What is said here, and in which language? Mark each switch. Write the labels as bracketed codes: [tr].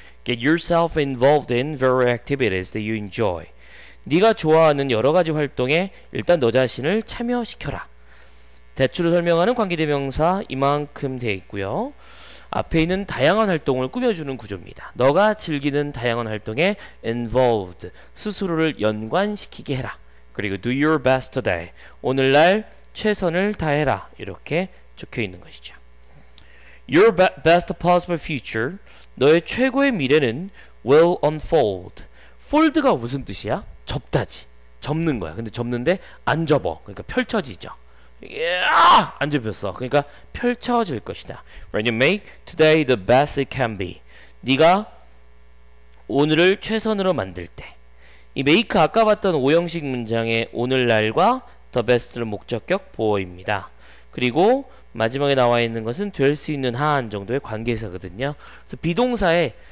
[en] Get yourself involved in various activities that you enjoy. [ko] 네가 좋아하는 여러 가지 활동에 일단 너 자신을 참여시켜라. 대출을 설명하는 관계대명사 이만큼 돼 있고요. 앞에 있는 다양한 활동을 꾸며주는 구조입니다. 너가 즐기는 다양한 활동에 involved, 스스로를 연관시키게 해라. 그리고 [en] do your best today, [ko] 오늘날 최선을 다해라. 이렇게 적혀 있는 것이죠. [en] Your best possible future, [ko] 너의 최고의 미래는 [en] will unfold. [ko] fold가 무슨 뜻이야? 접다지. 접는 거야. 근데 접는데 안 접어. 그러니까 펼쳐지죠. 안 접혔어. 그러니까 펼쳐질 것이다. [en] When you make today the best it can be. [ko] 네가 오늘을 최선으로 만들 때. 이 make 아까 봤던 5형식 문장의 오늘날과 the best를 목적격 보어입니다. 그리고 마지막에 나와 있는 것은 될 수 있는 한 정도의 관계에서거든요. 그래서 비동사에